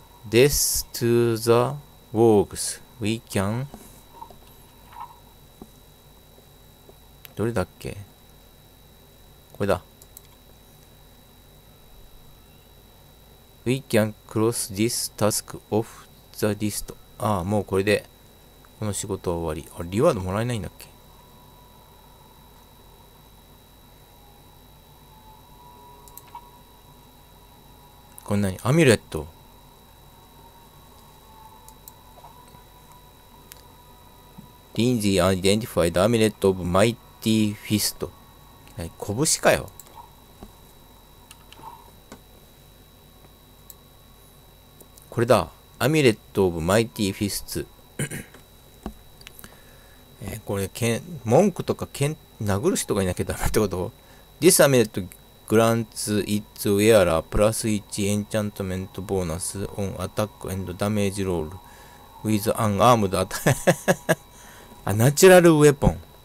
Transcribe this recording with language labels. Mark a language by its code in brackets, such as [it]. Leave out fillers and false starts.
[en] Death to the Wargs We can、 [ja] どれだっけ、これだ。 [en] We can cross this task off the list [ja] ああ、もうこれで、この仕事は終わり。あ、リワードもらえないんだっけ？これ何？アミュレット。リンジー・アイデンティファイド・アミュレット・オブ・マイティ・フィスト。はい、拳かよ。これだ。アミュレット・オブ・マイティ・フィスツ。これ、文句とか殴る人がいなきゃダメってこと？ [en] This amulet grants its wearer plus 1 enchantment bonus on attack and damage roll with an armed attack. [ja] あ、ナチュラルウェポン。